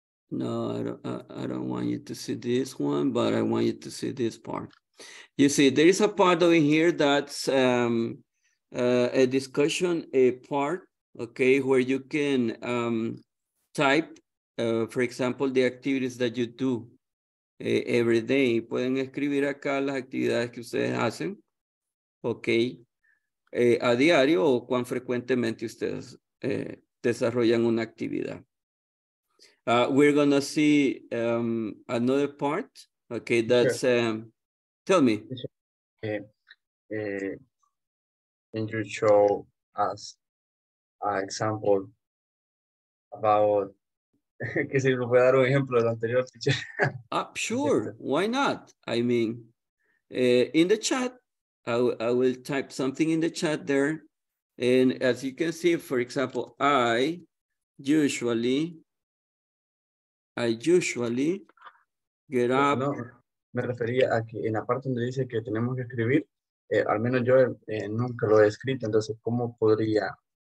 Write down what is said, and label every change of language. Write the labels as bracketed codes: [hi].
[en] No, I don't want you to see this one, but I want you to see this part. You see, there is a part over here that's a discussion, a part, okay, where you can type. For example, the activities that you do every day. [es] Pueden escribir acá las actividades que ustedes hacen, okay, a diario o cuán frecuentemente ustedes desarrollan una actividad. [en] We're gonna see another part, okay, that's, sure. Tell me. Can you show us an example about [es] que si lo puede dar un ejemplo del anterior teacher. [en] Ah, sure, why not? I mean, in the chat, I will type something in the chat there. And as you can see, for example, I usually get up. [es] No, me refería a que en la parte donde dice que tenemos que escribir, al menos yo nunca lo he escrito, entonces, ¿cómo podría?